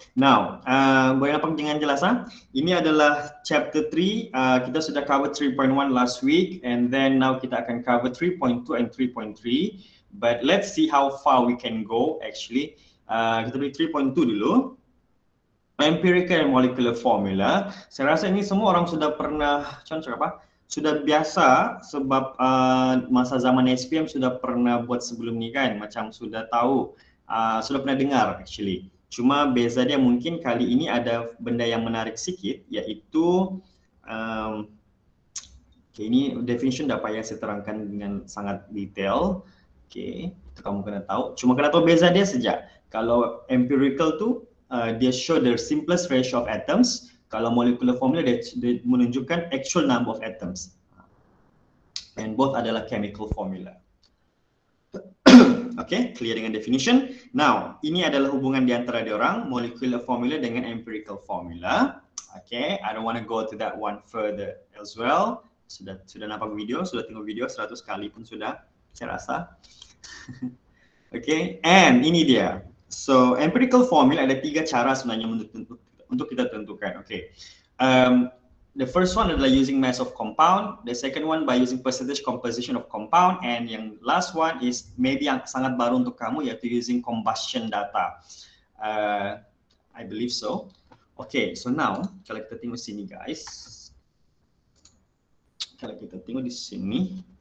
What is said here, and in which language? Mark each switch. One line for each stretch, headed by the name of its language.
Malay: Now, boleh nampak dengan jelas ha? Ini adalah chapter 3. Kita sudah
English: cover 3.1 last week and then now
Malay: kita akan
English: cover 3.2 and 3.3. But let's see how far we can go actually.
Malay: Kita pergi 3.2 dulu. Empirical and molecular formula. Saya rasa ini semua orang sudah pernah, contoh apa? Sudah biasa sebab masa zaman SPM sudah pernah buat sebelum ni kan? Macam sudah tahu, sudah pernah dengar actually. Cuma beza dia mungkin kali ini ada benda yang menarik sikit, iaitu okay, ini definition dah payah saya terangkan dengan sangat detail. Okay, itu kamu kena tahu. Cuma kena tahu beza dia sejak. Kalau empirical tu dia
English: show the simplest ratio of atoms.
Malay: Kalau molecular formula dia menunjukkan
English: actual number of atoms. And both adalah chemical formula. Okay, clear dengan definition.
Malay: Now, ini adalah hubungan di antara diorang, molecular formula dengan empirical formula.
English: Okay, I don't want to go to that one further as well.
Malay: Sudah nampak video, sudah tengok video 100 kali pun sudah, saya rasa. Okay, and ini dia. So, empirical formula ada 3 cara sebenarnya untuk kita tentukan. Okay.
English: The first one adalah using mass of compound. The second one by using percentage composition of compound. And yang last one is maybe
Malay: yang sangat baru untuk kamu, yaitu
English: using combustion data. I believe so. Okay, so now
Malay: kalau kita tengok sini
English: guys.
Malay: Kalau kita tengok di sini.